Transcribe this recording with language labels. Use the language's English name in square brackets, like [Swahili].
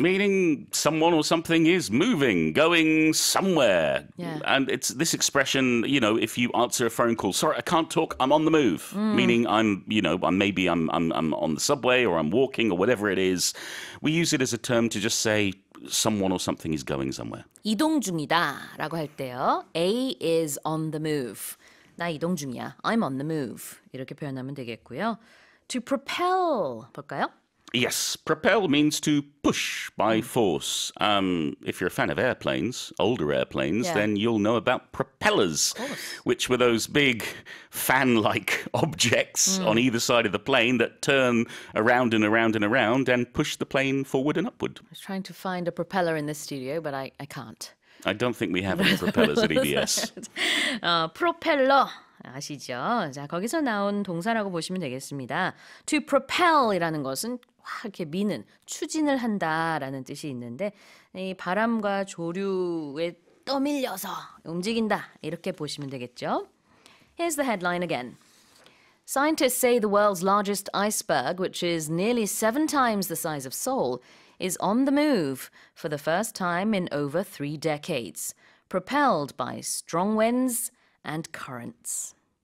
[English] Meaning someone or something is moving, going somewhere. Yeah. And it's this expression, you know, if you answer a phone call, sorry, I can't talk, I'm on the move. Meaning I'm, you know, I'm on the subway or I'm walking or whatever it is. We use it as a term to just say someone or something is going somewhere. [Korean] 이동 중이다라고 할 때요. [English] A is on the move. [Korean] 나 이동 중이야. [English] I'm on the move. [Korean] 이렇게 표현하면 되겠고요. [English] To propel, [Korean] 볼까요? [English] Yes, propel means to push by force. If you're a fan of airplanes, older airplanes, then you'll know about propellers, which were those big fan-like objects on either side of the plane that turn around and around and around and push the plane forward and upward. I was trying to find a propeller in this studio, but I can't. I don't think we have any propellers at EBS. [Korean] propeller. 아시죠? 자, 거기서 나온 동사라고 보시면 되겠습니다. To propel이라는 것은 확 이렇게 미는, 추진을 한다라는 뜻이 있는데 이 바람과 조류에 떠밀려서 움직인다 이렇게 보시면 되겠죠. [English] Here's the headline again. Scientists say the world's largest iceberg, which is nearly seven times the size of Seoul, is on the move for the first time in over three decades, propelled by strong winds and currents.